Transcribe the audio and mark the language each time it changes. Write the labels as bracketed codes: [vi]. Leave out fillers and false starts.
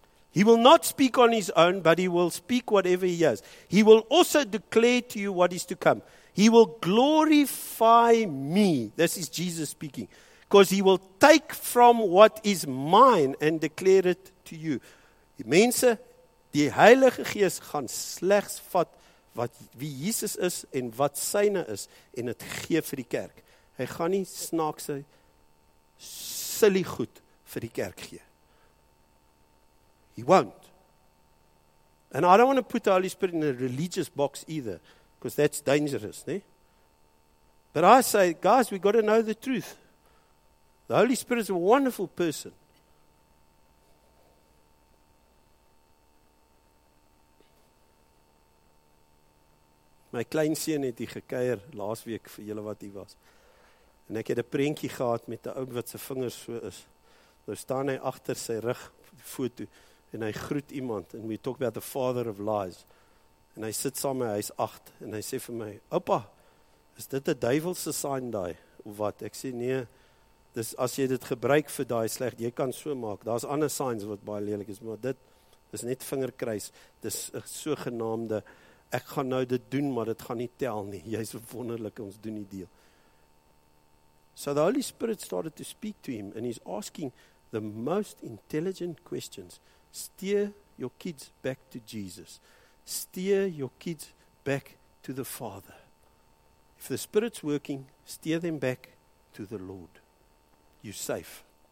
[en] He will not speak on His own, but He will speak whatever He hears. He will also declare to you what is to come. He will glorify Me. This is Jesus speaking. Because He will take from what is mine and declare it to you. [af] Mense, die Heilige Gees gaan slegs vat wat wie Jesus is en wat syne is en het gee vir die kerk. Hy gaan nie snaakse silly goed vir die kerk gee. [en] He won't. And I don't want to put the Holy Spirit in a religious box either, because that's dangerous, nee? But I say, guys, we got to know the truth. The Holy Spirit is a wonderful person. [af] My kleinseun het hier gekuier laas week vir julle wat hier was. En ek het 'n prentjie gehad met 'n ou wat sy vingers so is. Nou staan hy agter sy rug foto en hy groet iemand. [en] And we talk about the father of lies. [af] En hy sit saam met my, hy's 8. En hy sê vir my, oppa, is dit 'n duivelse sign daai? Of wat? Ek sê, nee, dis as jy dit gebruik vir daai sleg, jy kan so maak. Daar's ander signs wat baie lelik is, maar dit is net vingerkruis. Dis 'n sogenaamde, ek gaan nou dit doen, maar dit gaan nie tel nie. Jy's wonderlik, ons doen die deel. [en] So the Holy Spirit started to speak to him, and he's asking the most intelligent questions. Steer your kids back to Jesus. Steer your kids back to the Father. If the Spirit's working, steer them back to the Lord. You're safe.